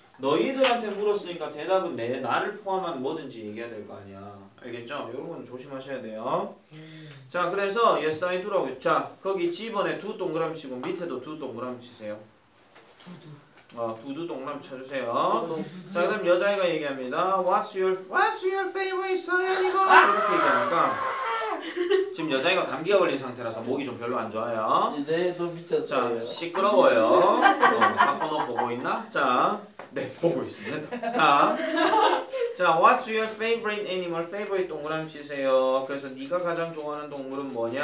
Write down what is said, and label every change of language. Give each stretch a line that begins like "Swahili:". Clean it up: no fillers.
Korean: 너희들한테 물었으니까 대답은 내 나를 포함한 뭐든지 얘기해야 될 거 아니야. 알겠죠? 이런 건 조심하셔야 돼요. 자, 그래서
English: yes I do
Korean: 라고. 자, 거기 집번에 두 동그라미 치고 밑에도 두 동그라미 치세요. 두두 동그라미 쳐주세요. 자, 그럼 여자애가 얘기합니다.
English: What's your favorite song
Korean: 이거? 이렇게 얘기하니까. 지금 여자애가 감기가 걸린 상태라서 목이 좀 별로 안 좋아요. 이제 또 미쳤어요. 자, 시끄러워요. 바꿔놓고 보고 있나? 자, 네, 보고 있습니다.
English: 자, 자, What's your favorite animal?
Korean: Favorite 동그라미 치세요. 그래서 네가 가장 좋아하는 동물은 뭐냐?